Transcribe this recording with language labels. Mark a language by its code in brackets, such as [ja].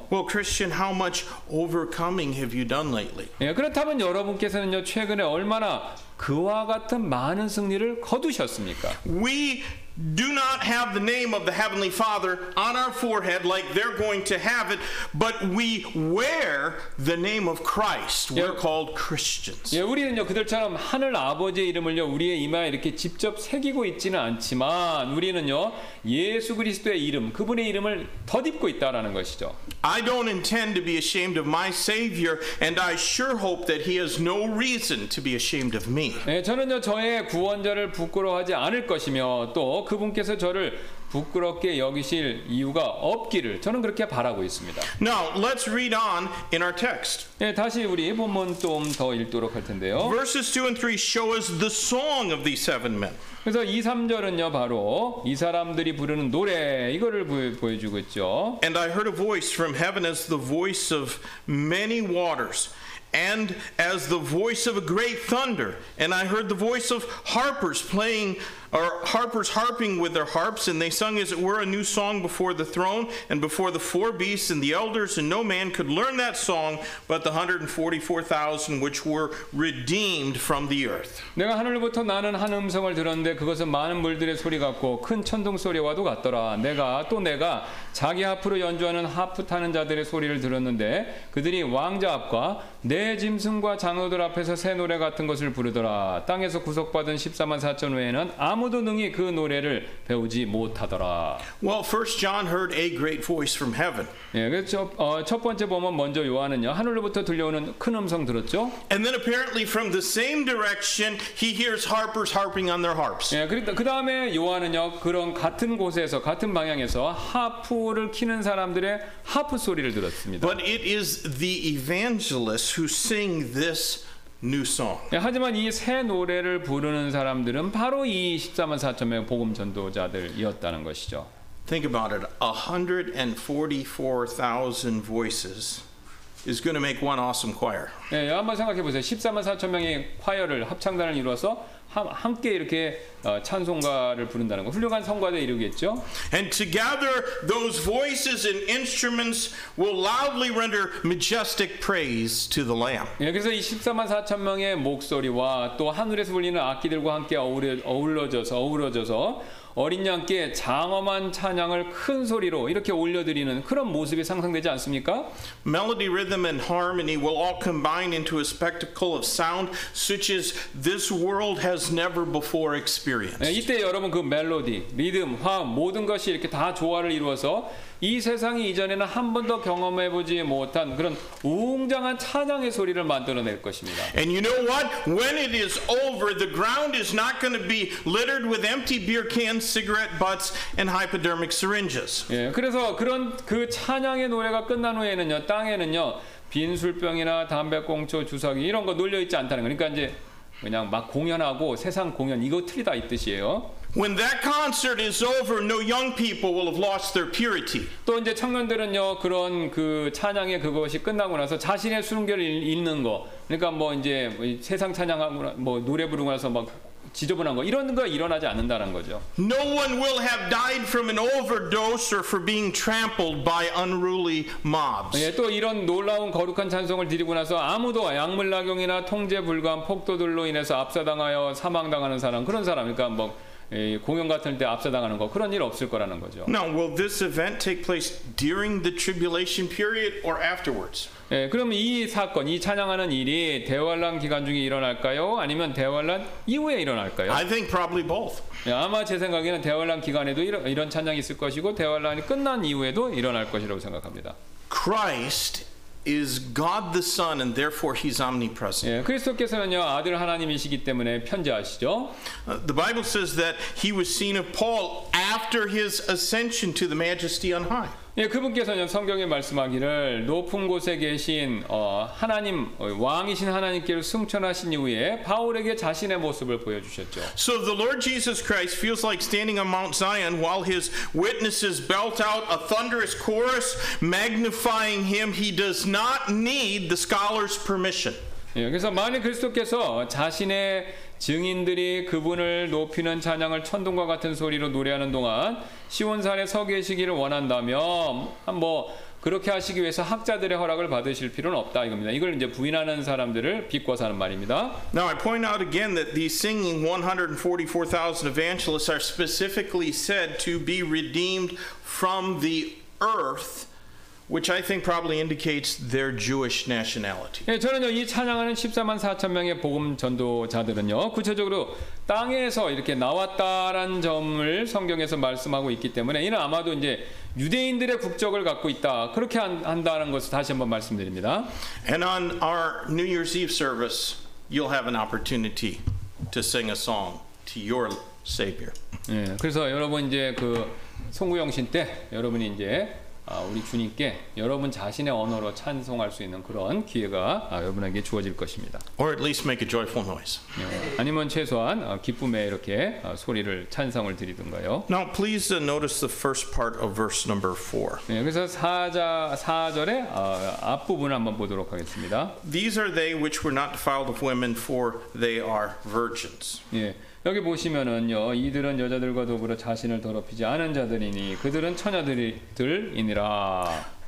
[en] Well, Christian, how much overcoming have you done lately? [ko] 예, 그렇다면 여러분께서는요 최근에 얼마나 그와 같은 많은 승리를 거두셨습니까? [en] We do not have the name of the Heavenly Father on our forehead like they're going to have it, but we wear the name of Christ. We're called Christians. [ko] 예, 우리는요 그들처럼 하늘 아버지의 이름을요 우리의 이마에 이렇게 직접 새기고 있지는 않지만 우리는요 예수 그리스도의 이름, 그분의 이름을 덧입고 있다라는 것이죠. [en] I don't intend to be ashamed of my Savior, and I sure hope that He has no reason to be ashamed of me. [ko] 예, 저는요 저의 구원자를 부끄러워하지 않을 것이며 또 그분께서 저를 부끄럽게 여기실 이유가 없기를 저는 그렇게 바라고 있습니다. [en] Now let's read on in our text. [ko] 예, 다시 우리 본문 좀 더 읽도록 할 텐데요. [en] Verses 2 and 3 show us the song of these seven men. [ko] 그래서 2, 3절은요 바로 이 사람들이 부르는 노래, 이거를 보여주고 있죠. [en] And I heard a voice from heaven as the voice of many waters, and as the voice of a great thunder, and I heard the voice of harpers playing our harpers harping with their harps, and they sung, as it were, a new song before the throne and before the four beasts and the elders, and no man could learn that song but the 144,000 which were redeemed from the earth. [ko] 내가 하늘로부터 나는 한 음성을 들었는데 그것은 많은 물들의 소리 같고 큰 천둥 소리와도 같더라. 내가 또 내가 자기 앞으로 연주하는 하프 타는 자들의 소리를 들었는데 그들이 왕자 앞과 내 짐승과 장로들 앞에서 새 노래 같은 것을 부르더라. 땅에서 구속받은 14만 4천 외에는 아무도 능히 그 노래를 배우지 못하더라. [en] Well, first John heard a great voice from heaven. [ko] 예, 그렇죠. 첫 번째 보면 먼저 요한은요 하늘로부터 들려오는 큰 음성 들었죠. [en] And then apparently from the same direction he hears harpers harping on their harps. [ko] 예, 그 다음에 요한은요 그런 같은 곳에서 같은 방향에서 하프를 키는 사람들의 하프 소리를 들었습니다. [en] But it is the evangelists who sing this new song. [ko] 예, 하지만 이 새 노래를 부르는 사람들은 바로 이 14만 4천 명의 복음 전도자들이었다는 것이죠. [en] Think about it. 144,000 voices is going to make one awesome choir. [ko] 예, 한번 생각해 보세요. 14만 4천 명의 콰이어를 합창단을 이루어서 함께 이렇게 찬송가를 부른다는 거 훌륭한 성가대에 이르겠죠. [en] And together those voices and instruments will loudly render majestic praise to the Lamb. [ko] 예, 그래서 이 14만 4천 명의 목소리와 또 하늘에서 불리는 악기들과 함께 어우러져서 어린 양께 장엄한 찬양을 큰 소리로 이렇게 올려드리는 그런 모습이 상상되지 않습니까? [en] Melody, rhythm, and harmony will all combine into a spectacle of sound such as this world has never before experienced. [ko] 네, 이때 여러분 그 멜로디, 리듬, 화음 모든 것이 이렇게 다 조화를 이루어서 이 세상이 이전에는 한 번도 경험해보지 못한 그런 웅장한 찬양의 소리를 만들어낼 것입니다. [en] And you know what? When it is over, the ground is not going to be littered with empty beer cans, cigarette butts, and hypodermic syringes. [ko] 예, 그래서 그런 그 찬양의 노래가 끝난 후에는요, 땅에는요, 빈술병이나 담배꽁초, 주사기 이런 거 놀려있지 않다는 거. 그러니까 이제 그냥 막 공연하고 세상 공연 이거 틀리다 이 뜻이에요. [en] When that concert is over, no young people will have lost their purity. [ko] 또 이제 청년들은요 그런 그 찬양의 그것이 끝나고 나서 자신의 순결을 잃는 거. 그러니까 뭐 이제 세상 찬양하고 뭐 노래 부르고 나서 막 지저분한 거 이런 거 일어나지 않는다는 거죠. [en] No one will have died from an overdose or for being trampled by unruly mobs. [ko] 예, 또 이런 놀라운 거룩한 찬송을 드리고 나서 아무도 약물 낙용이나 통제 불가한 폭도들로 인해서 압사당하여 사망당하는 사람 그런 사람 그러니까 뭐 공연 같은 때 압사당하는 거 그런 일 없을 거라는 거죠. [en] Now, will this event take place during the tribulation period or afterwards? [ko] 예, 그럼 이 사건, 이 찬양하는 일이 대환란 기간 중에 일어날까요? 아니면 대환란 이후에 일어날까요? [en] I think probably both. [ko] 예, 아마 제 생각에는 대환란 기간에도 이런 찬양이 있을 것이고 대환란이 끝난 이후에도 일어날 것이라고 생각합니다. [en] Christ is God the Son and therefore he's omnipresent. [ko] 예, 그리스도께서는요, 아들 하나님이시기 때문에 편재하시죠. [en] The Bible says that he was seen of Paul after his ascension to the majesty on high. [ko] 예, 그분께서는 성경에 말씀하기를 높은 곳에 계신 하나님 왕이신 하나님께로 승천하신 이후에 바울에게 자신의 모습을 보여주셨죠. [en] So the Lord Jesus Christ feels like standing on Mount Zion while his witnesses belt out a thunderous chorus magnifying him. He does not need the scholar's permission. [ko] 예, 그래서 만일 그리스도께서 자신의 증인들이 그분을 높이는 찬양을 천둥과 같은 소리로 노래하는 동안 시온산에 서 계시기를 원한다면 뭐 그렇게 하시기 위해서 학자들의 허락을 받으실 필요는 없다 이겁니다. 이걸 이제 부인하는 사람들을 비꼬아서 하는 말입니다. [en] Now I point out again that these singing 144,000 evangelists are specifically said to be redeemed from the earth, which I think probably indicates their Jewish nationality. [ko] 예, 저는요 이 찬양하는 14만 4천 명의 복음 전도자들은요 구체적으로 땅에서 이렇게 나왔다라는 점을 성경에서 말씀하고 있기 때문에 이는 아마도 이제 유대인들의 국적을 갖고 있다 그렇게 한다는 것을 다시 한번 말씀드립니다. [en] And on our New Year's Eve service, you'll have an opportunity to sing a song to your Savior. [ko] 예, 그래서 여러분 이제 그 송구영신 때 여러분이 이제 우리 주님께 여러분 자신의 언어로 찬송할 수 있는 그런 기회가 여러분에게 주어질 것입니다. [en] Or at least make a joyful noise. [ko] 아니면 최소한 기쁨에 이렇게 소리를 찬송을 드리든가요. [en] Now please notice the first part of verse number 4. [ko] 네, 그래서 4절의 앞부분을 한번 보도록 하겠습니다. [en] These are they which were not defiled of women, for they are virgins. [ko] 예, 여기 보시면은요, 이들은 여자들과 더불어 자신을 더럽히지 않은 자들이니 그들은 처녀들이니라.